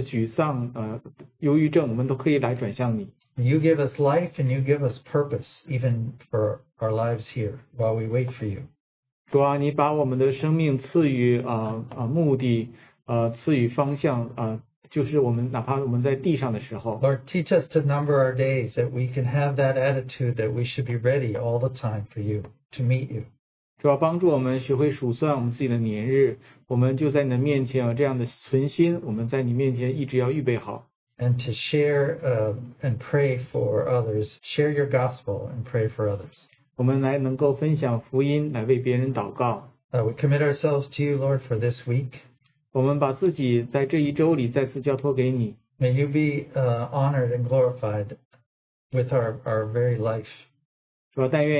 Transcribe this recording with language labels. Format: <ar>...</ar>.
<zh>无论我们什么样的疾病，哪怕是冠状病毒，或是我们的沮丧、忧郁症，我们都可以来转向你。</zh> <en>You give us life and you give us purpose even for our lives here while we wait for you.</en> <zh>主啊，你把我们的生命赐予目的，赐予方向，就是我们哪怕我们在地上的时候。</zh> <en>Lord, teach us to number our days that we can have that attitude that we should be ready all the time for you, to meet you.</en> <zh>主啊，帮助我们学会数算我们自己的年日，我们就在你的面前有这样的存心，我们在你面前一直要预备好。</zh> <en>And to share and pray for others, share your gospel and pray for others. We commit ourselves to you, Lord, for this week. May you be honored and glorified with our very life.</en>